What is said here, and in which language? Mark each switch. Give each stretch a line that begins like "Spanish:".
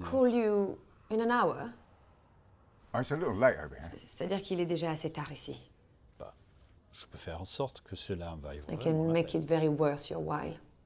English: heure? Can I call you in an hour? Oh, it's a little late over here.
French: C'est-à-dire qu'il est déjà assez tard ici. Bah, je peux faire en sorte que cela vaille vraiment.
English: I can make it very worth your while.